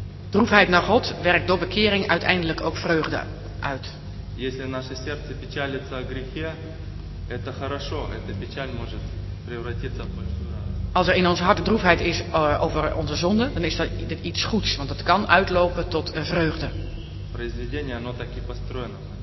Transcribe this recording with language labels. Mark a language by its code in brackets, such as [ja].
[nl] Droefheid naar God werkt door bekering uiteindelijk ook vreugde uit. [ru] Если наше сердце печалится о грехе, это хорошо, эта печаль может превратиться в большую радость. [nl] Als er in ons hart droefheid is over onze zonde, dan is dat iets goeds, want het kan uitlopen tot vreugde. [ru] Произведение оно так и построено.